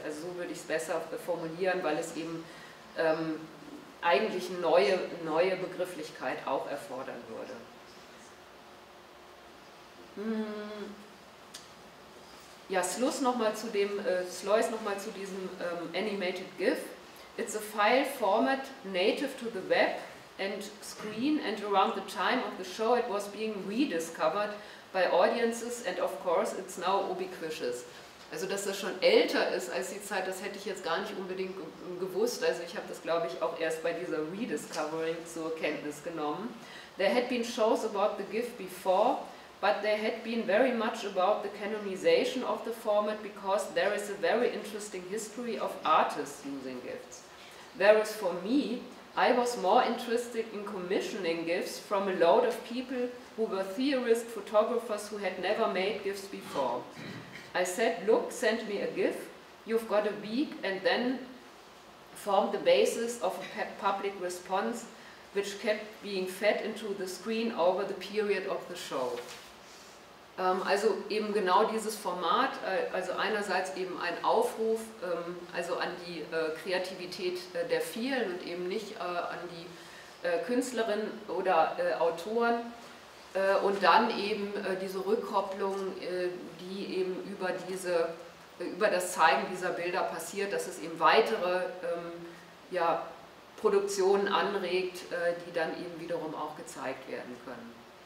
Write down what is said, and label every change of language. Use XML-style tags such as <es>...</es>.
<de>Also so würde ich es besser formulieren, weil es eben eigentlich eine neue Begrifflichkeit auch erfordern würde. Ja, Schluss nochmal zu dem, Slois nochmal zu diesem Animated GIF.</de> <en>It's a file format native to the web and screen, and around the time of the show it was being rediscovered by audiences, and of course it's now ubiquitous.</en> <de>Also dass das schon älter ist als die Zeit, das hätte ich jetzt gar nicht unbedingt gewusst. Also ich habe das, glaube ich, auch erst bei dieser Rediscovering zur Kenntnis genommen.</de> <en>There had been shows about the GIF before, but there had been very much about the canonization of the format, because there is a very interesting history of artists using GIFs. Whereas for me, I was more interested in commissioning GIFs from a load of people who were theorists, photographers who had never made GIFs before. I said, look, send me a GIF, you've got a week, and then formed the basis of a public response which kept being fed into the screen over the period of the show.</en> <de>Also eben genau dieses Format, also einerseits eben ein Aufruf also an die Kreativität der vielen und eben nicht an die Künstlerinnen oder Autoren, und dann eben diese Rückkopplung, die eben über diese, über das Zeigen dieser Bilder passiert, dass es eben weitere ja, Produktionen anregt, die dann eben wiederum auch gezeigt werden können.</de>